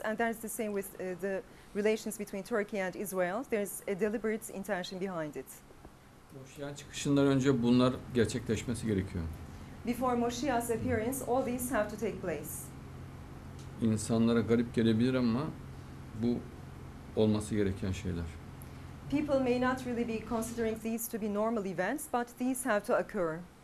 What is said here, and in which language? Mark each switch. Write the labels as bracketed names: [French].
[English] And that's the same with the relations between Turkey and Israel. There's a deliberate intention behind it. [Turkish] Moşiyah'ın çıkışından önce bunlar gerçekleşmesi gerekiyor. [English] Before Moşiyah's appearance, all these have to take place. [Turkish] İnsanlara garip gelebilir ama bu olması gereken şeyler. [English] People may not really be considering these to be normal events, but these have to occur.